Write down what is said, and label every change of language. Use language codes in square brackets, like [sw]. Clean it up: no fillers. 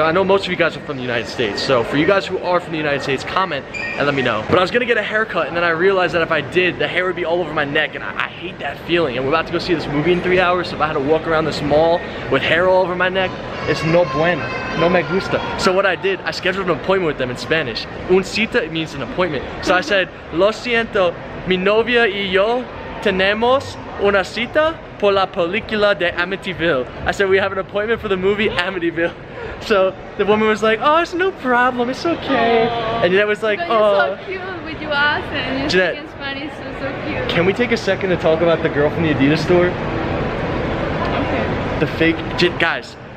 [en] I know most of you guys are from the United States. So for you guys who are from the United States, comment and let me know. But I was gonna get a haircut, and then I realized that if I did, the hair would be all over my neck, and I hate that feeling. And we're about to go see this movie in 3 hours, so if I had to walk around this mall with hair all over my neck, it's [es] no bueno. No me gusta. [en] So what I did, I scheduled an appointment with them in Spanish. Un cita means an appointment. So I said, [es] lo siento, mi novia y yo tenemos una cita por la película de Amityville. [en] I said, we have an appointment for the movie Amityville. So the woman was like, oh, it's no problem, it's okay. Aww. And Jeanette was like, but you're oh. You're so cute with your accent. You're Jeanette, speaking Spanish, so, so cute. Can we take a second to talk about the girl from the Adidas store? Okay. The fake, guys.